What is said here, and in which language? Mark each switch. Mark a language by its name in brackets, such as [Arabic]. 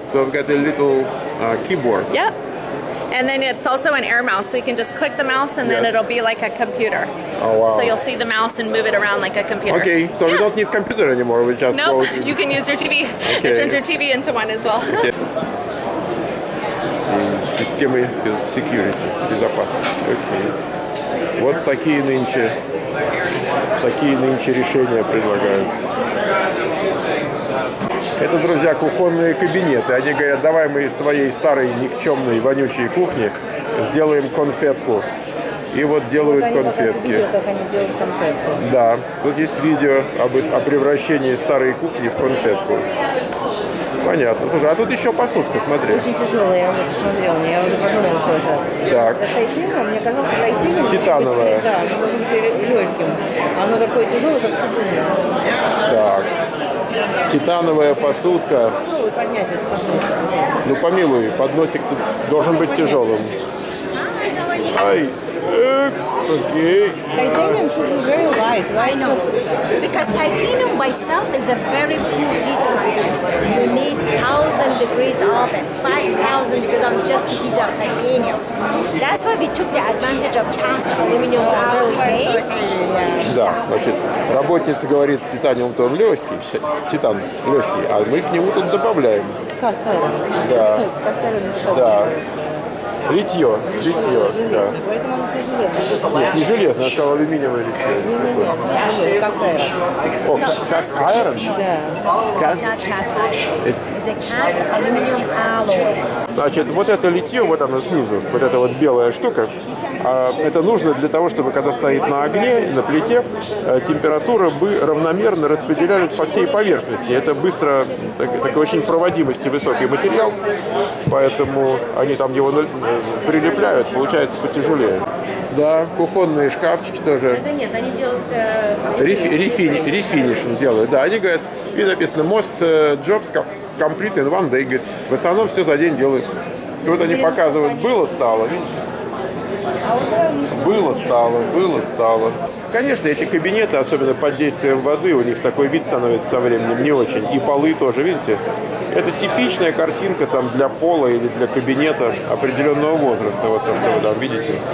[English] So I've got a little keyboard. Yep. And then it's also an Air Mouse, so you can just click the mouse, and then it'll be like a computer. Oh, wow. So you'll see the mouse and move it around like a computer. Okay, so we don't need computer anymore. We just go. Nope. You can use your TV. Okay. It turns your TV into one as well. Okay. [Russian] Системы security, безопасности. [English] Okay. [Russian] Вот такие нынче решения предлагают. Это, друзья, кухонные кабинеты. Они говорят, давай мы из твоей старой, никчемной, вонючей кухни сделаем конфетку. И вот делают конфетки. Да, тут есть видео о превращении старой кухни в конфетку. Понятно. Слушай, а тут еще посудка, смотри. Очень тяжелая, я уже посмотрела, я уже подумала тоже. Так. Это тайтиниум, мне казалось, что тайтиниум... Титановая. Да, оно должно быть легким. Оно такое тяжелое, как чугунное. Так. Титановая посудка. Ну, понять этот подносик. Ну, помилуй, подносик тут должен быть тяжелым. [English] Ай! Okay. Titanium should be very light. I know. Because titanium by itself is a very cool heating reactor. You need 1,000 degrees oven, 5,000 degrees oven just to heat up titanium. That's why we took the advantage of cast aluminum alloy base. [Russian] Да, значит, работница говорит, титаниум то он легкий, титан легкий, а мы к нему тут добавляем. [English] Cast iron. [Russian] Да. [English] Cast iron. [Russian] Да. Литье, железный, да. Поэтому оно тяжелее. Нет, не железное, а сказал алюминиевое литье. Не, тяжелее, cast iron. [English] О, cast iron? [Russian] Да. [English] Cast? It's not cast iron. It's a cast aluminum alloy. [Russian] Значит, вот это литье, вот оно снизу, вот эта вот белая штука, это нужно для того, чтобы когда стоит на огне, на плите, температура бы равномерно распределялась по всей поверхности. Это быстро, так очень проводимости высокий материал, поэтому они там его прилепляют, получается потяжелее. Да, кухонные шкафчики тоже. Это нет, они делают... Рефинишн делают, да. Они говорят, и написано, [English] most jobs complete in one day. [Russian] Говорят, в основном все за день делают. Вот они показывают, было-стало, видишь? Было-стало. Конечно, эти кабинеты, особенно под действием воды, у них такой вид становится со временем не очень. И полы тоже, видите? Это типичная картинка там для пола или для кабинета определенного возраста, вот то, что вы там видите.